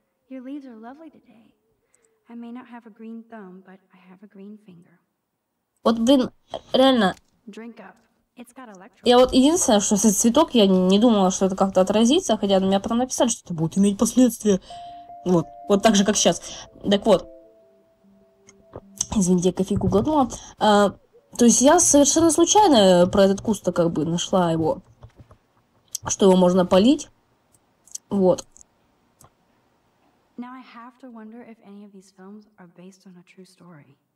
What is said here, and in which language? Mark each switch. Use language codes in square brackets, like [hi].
[en] Your leaves are lovely today. I may not have a green thumb, but I have a green finger. [ru] Вот, блин, реально. [en] Drink up. It's got electrolytes. [ru] Я вот единственное, что этот цветок, я не думала, что это как-то отразится, хотя на меня потом написали, что это будет иметь последствия. Вот, вот так же, как сейчас. Так вот. Извините, я кофейку глотнула. То есть я совершенно случайно про этот куст как бы нашла его, что его можно полить. Вот. [en] Now I have to wonder if any of these films are based on a true story.